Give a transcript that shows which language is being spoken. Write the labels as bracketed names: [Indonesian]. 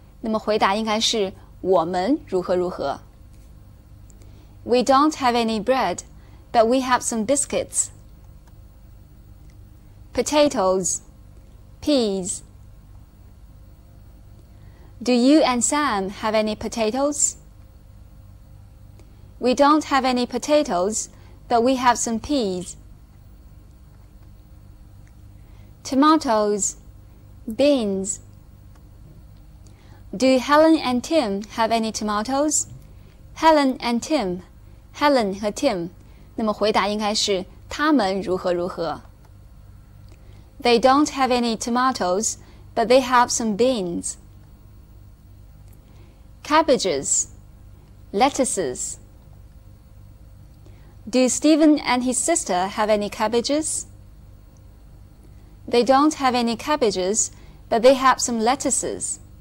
[Chinese] 那么回答应该是我们如何如何。 [English] We don't have any bread, but we have some biscuits. Potatoes, peas. Do you and Sam have any potatoes? We don't have any potatoes, but we have some peas. Tomatoes, beans. Do Helen and Tim have any tomatoes? Helen and Tim, Helen 和 Tim. [Chinese] 那么回答应该是他们如何如何。 [English] They don't have any tomatoes, but they have some beans. Cabbages, lettuces. Do Stephen and his sister have any cabbages? They don't have any cabbages, but they have some lettuces.